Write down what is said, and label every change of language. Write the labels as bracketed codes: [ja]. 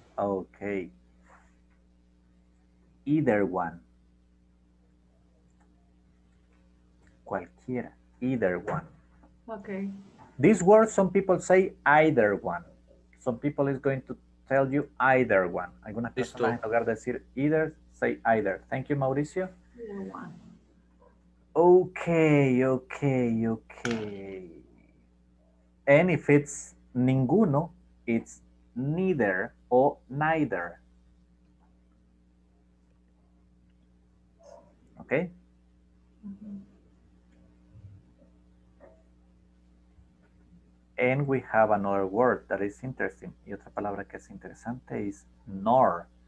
[en] Okay. Either one. Cualquiera. Either one. Okay. This word, some people say either one. Some people is going to tell you either one. [es] Alguna persona en lugar de decir either, say either. [en] Thank you, Mauricio. Either one. Okay, okay, okay. And if it's ninguno, it's neither or neither. Okay? Mm-hmm. And we have another word that is interesting. [es] Y otra palabra que es interesante is nor.